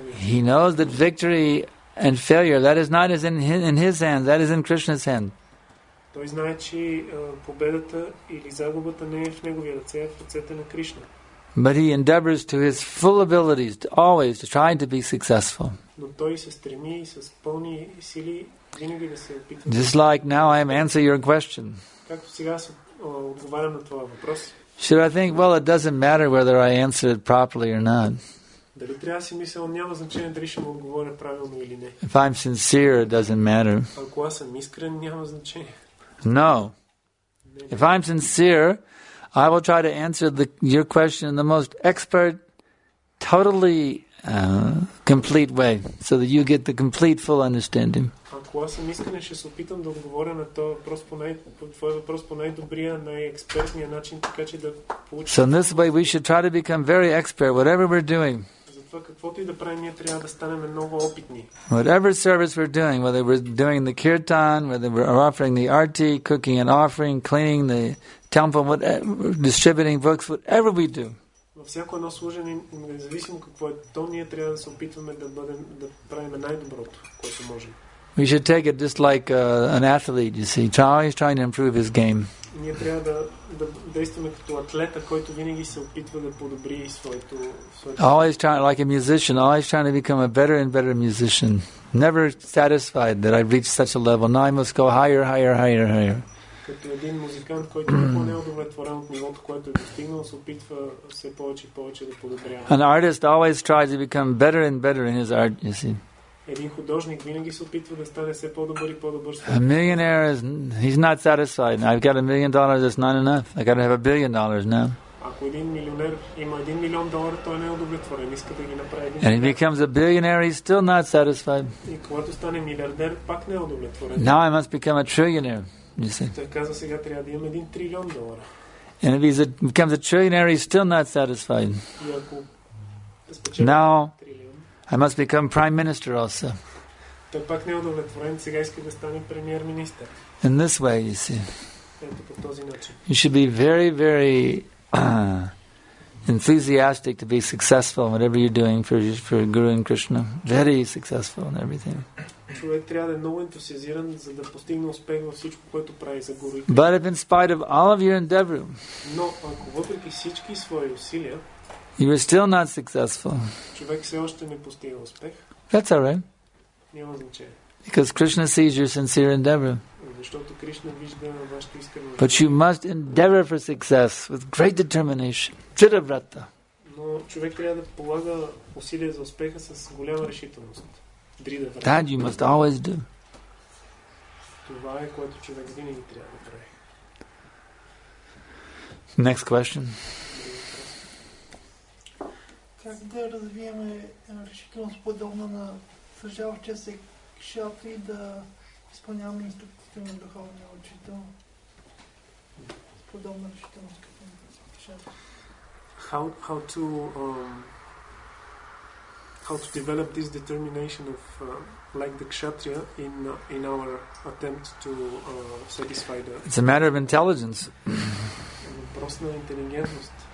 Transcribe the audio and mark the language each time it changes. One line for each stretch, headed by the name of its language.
English: He knows that victory and failure, that is not in his hands, that is in Krishna's hand.
Bulgarian: Той знае, че победата или загубата не е в неговия ръце, а в ръцете на Кришна.
English: But he endeavors to his full abilities to always to try to be successful.
Bulgarian: Но той се стреми и с пълни сили винаги да се опитва.
English: Just like now I am answering your question.
Bulgarian: Както сега се отговарям на твоя въпрос.
English: Should I think, well, it doesn't matter whether I answer it properly or not.
Bulgarian: Дали трябва си мисля, няма значение дали ще му отговоря правилно или не.
English: If I'm sincere, it doesn't matter.
Bulgarian: Ако аз съм искрен, няма значение.
English: No. If I'm sincere, I will try to answer your question in the most expert, totally complete way, so that you get the complete full understanding.
Bulgarian: Ако аз съм искрен, ще се опитам да отговоря на този въпрос по най-добрия, най-експертния начин, така че да получим.
English: So in this way we should try to become very expert, whatever we're doing.
Bulgarian: Каквото и да правим, ние трябва да станем много опитни.
English: Whatever service we're doing, whether we're doing the kirtan, whether we're offering the arti, cooking an offering, cleaning the temple, whatever, distributing books, whatever we do.
Bulgarian: Във всяко едно служение, независимо какво е то, ние трябва да се опитваме да правим най-доброто, което можем.
English: We should take it just like an athlete, you see. Always trying to improve his game.
Bulgarian: Ние трябва да действаме като атлета, който винаги се опитва да подобри своето.
English: Always trying, like a musician, always trying to become a better and better musician. Never satisfied that I've reached such a level. Now I must go higher, higher, higher, higher.
Bulgarian: Като един музикант, който не е удовлетворен от нивото, което е достигнал, се опитва все повече и повече да подобрява.
English: An artist always tries to become better and better in his art, you see.
Bulgarian: Един художник винаги се опитва да стане все по-добър и по-добър.
English: A millionaire is he's not satisfied. I've got $1 million, that's not enough. I got to have $1 billion now.
Bulgarian: Ако един милионер има
English: $1 million,
Bulgarian: той не е удовлетворен, иска да ги направи.
English: And he becomes a billionaire, he's still not satisfied.
Bulgarian: И когато стане милиардер, пак не е удовлетворен.
English: Now I must become a trillionaire, you see.
Bulgarian: Той казва, сега трябва да имам
English: $1 trillion. And if he becomes a trillionaire, he's still not satisfied. Now I must become prime minister also.
Bulgarian: Той пак не е удовлетворен, сега иска да стане премиер-министър.
English: In this way, you see.
Bulgarian: Ето по този начин.
English: You should be very, very enthusiastic to be successful in whatever you're doing for Guru and Krishna. Very successful in everything.
Bulgarian: Човек трябва да е много ентусиазиран, за да постигне успех във всичко, което прави за Гуру.
English: But if in spite of all of your endeavor,
Bulgarian: но ако въпреки всички свои усилия,
English: you are still not successful.
Bulgarian: Човек все още не постига успех.
English: That's all right.
Bulgarian: Няма значение.
English: Because Krishna sees your sincere endeavor.
Bulgarian: Защото Кришна вижда вашето искрено.
English: But you must endeavor for success with great determination.
Sanskrit: Chitavratta.
Bulgarian: Но човек трябва да полага усилия за успеха с голяма решителност.
Sanskrit: Дридавратта.
English: That you must always do.
Bulgarian: Това е което човек винаги трябва да прави.
English: Next question.
Bulgarian: Как да развиваме решителност подобно на сражаващия се кшатри и да изпълняваме инструкциите на духовния учител? Подобна решителност като на кшатри.
English: How to develop this determination of like the kshatriya in our attempt to satisfy the. It's a matter of intelligence.
Bulgarian: Въпрос на интелигентност.